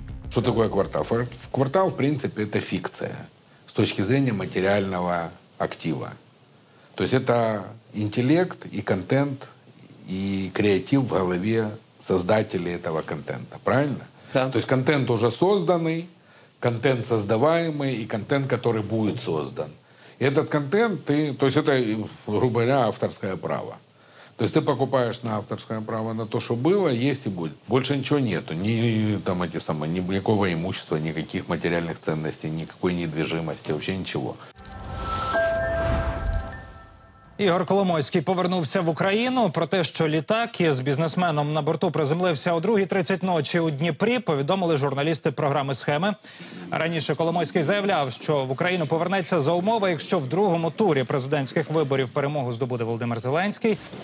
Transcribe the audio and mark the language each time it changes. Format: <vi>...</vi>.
<uk>Що таке квартал? Квартал, в принципі, це фікція з точки зрення матеріального актива. Тобто це інтелект і контент, і креатив в голові создателей цього контенту. Правильно? Да.</uk> <ru>Тобто контент уже созданий, контент создаваемый и контент, который будет создан. И этот контент, ты, то есть это, грубо говоря, авторское право. То есть ты покупаешь на авторское право на то, что было, есть и будет. Больше ничего нету. Ни, там, эти самые, никакого имущества, никаких материальных ценностей, никакой недвижимости, вообще ничего.</ru> <uk>Ігор Коломойський повернувся в Україну. Про те, що літак із бізнесменом на борту приземлився о 2:30 ночі у Дніпрі, повідомили журналісти програми «Схеми». Раніше Коломойський заявляв, що в Україну повернеться за умови, якщо в другому турі президентських виборів перемогу здобуде Володимир Зеленський.</uk>